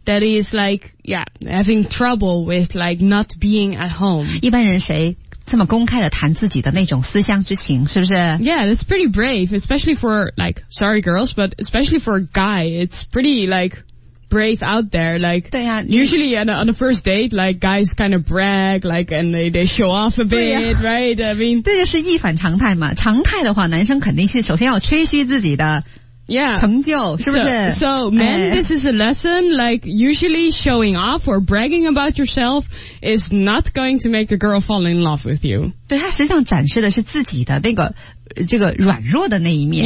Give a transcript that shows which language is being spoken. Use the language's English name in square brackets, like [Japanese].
[English] That he is like, yeah, having trouble with like not being at home. [Chinese] 一般人谁这么公开地谈自己的那种思乡之情，是不是？ [English] Yeah, that's pretty brave, especially for like, sorry girls, but especially for a guy, it's pretty like... brave out there, like, [Chinese] 对啊、 [English] usually on a first date, like, guys kind of brag, like, and they show off a bit,、啊、 right? I mean, [Chinese] 这就是一反常态嘛。常态的话，男生肯定是首先要吹嘘自己的 [English] Yeah. [Chinese] 成就, 是不是? [English] So men, this is a lesson, like usually showing off or bragging about yourself is not going to make the girl fall in love with you. [Chinese] 对, 他实际上展示的是自己的那个软弱的那一面,